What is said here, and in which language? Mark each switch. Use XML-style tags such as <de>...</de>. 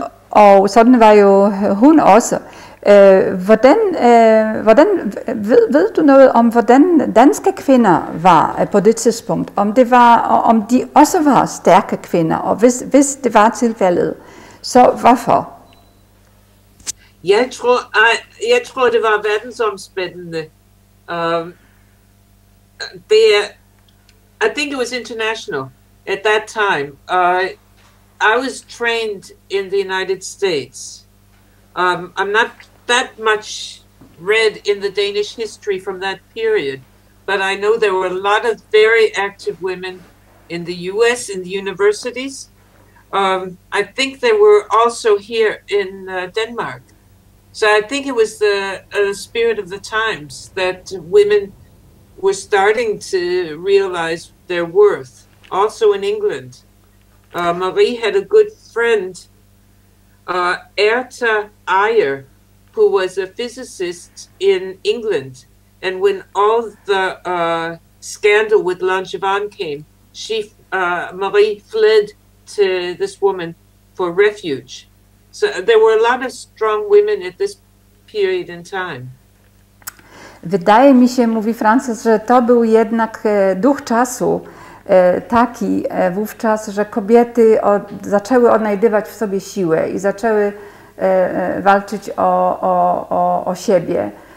<da>Og sådan var jo hun også. Hvordan ved du noget om, hvordan danske kvinder var på det tidspunkt? Om det var, om de også var stærke kvinder? Og hvis det var tilfældet, så hvorfor? Jeg tror det var verdensomspændende.</da> <en>I think it was international at that time. I was trained in the United States. I'm not that much read in the Danish history from that period, but I know there were a lot of very active women in the U.S. in the universities. I think there were also here in Denmark. So I think it was the spirit of the times that women were starting to realize their worth, also in England. Marie had a good friend, Erta Eyer, who was a physicist in England. And when all the scandal with Langevin came, Marie fled to this woman for refuge. So there were a lot of strong women at this period in time.</en> <pl>Wydaje mi się, mówi Frances, że to był jednak duch czasu taki wówczas, że kobiety zaczęły odnajdywać w sobie siłę i zaczęły walczyć o siebie.</pl>